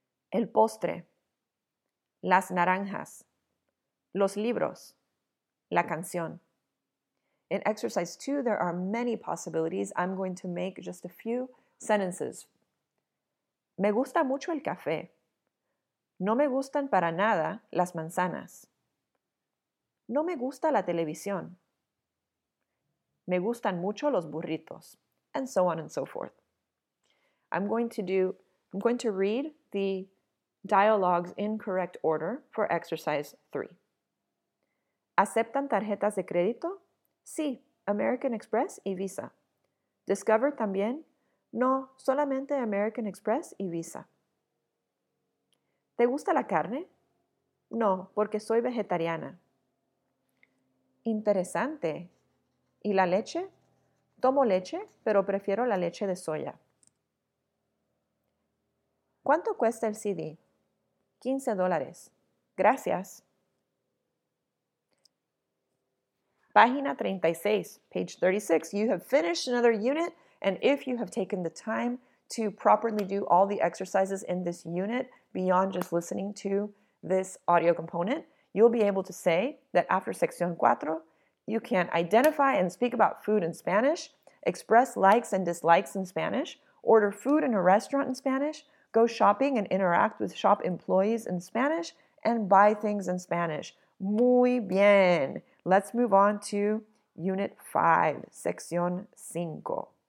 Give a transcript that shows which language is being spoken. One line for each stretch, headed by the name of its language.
Spanish: El postre. Las naranjas. Los libros. La canción.
English: In exercise 2, there are many possibilities. I'm going to make just a few sentences.
Spanish: Me gusta mucho el café. No me gustan para nada las manzanas. No me gusta la televisión. Me gustan mucho los burritos.
English: And so on and so forth. I'm going to read the dialogues in correct order for exercise 3.
Spanish: ¿Aceptan tarjetas de crédito? Sí, American Express y Visa. ¿Discover también? No, solamente American Express y Visa. ¿Te gusta la carne? No, porque soy vegetariana. Interesante. ¿Y la leche? Tomo leche, pero prefiero la leche de soya. ¿Cuánto cuesta el CD? $15. Gracias. Página 36,
English: page 36. You have finished another unit, and if you have taken the time to properly do all the exercises in this unit beyond just listening to this audio component, you'll be able to say that after sección 4, you can identify and speak about food in Spanish, express likes and dislikes in Spanish, order food in a restaurant in Spanish, go shopping and interact with shop employees in Spanish, and buy things in Spanish.
Spanish: Muy bien.
English: Let's move on to Unit 5, Sección 5.